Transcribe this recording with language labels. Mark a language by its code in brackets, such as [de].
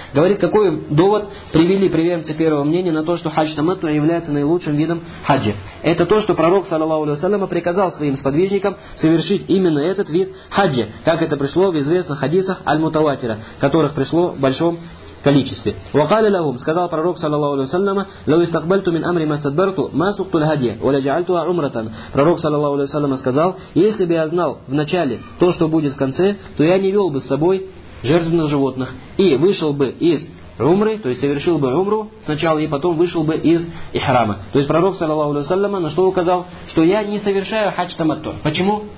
[ru] Говорит, какой довод привели приверженцы первого мнения на то, что хадж таматтуа является наилучшим видом хаджа. Это то, что пророк, саллаллаху алейхи ва саллям, приказал своим сподвижникам совершить именно этот вид хаджа, как это пришло в известных хадисах аль-мутаватира, которых пришло в большом количестве. [ar] وَقَالَ لَهُمْ, [ru] сказал пророк, саллаллаху алейхи ва саллям, [ar] لَوْ إِسْتَقْبَلْتُ مِنْ أَمْرِ مَسْتَدْبَرْتُ مَا سُقْتُ الْهَدْيَ وَلَجَعَلْتُهَا عُمْرَةً. [ru] Пророк, саллаллаху алейхи ва саллям, сказал, если бы я знал в начале то, что будет в конце, то я не вел бы с собой жертвенных животных и вышел бы из умры, то есть совершил бы умру сначала и потом вышел бы из ихрама. То есть пророк, саллаллаху алейхи ва саллям, на что указал? Что я не совершаю хадж таматту. Почему?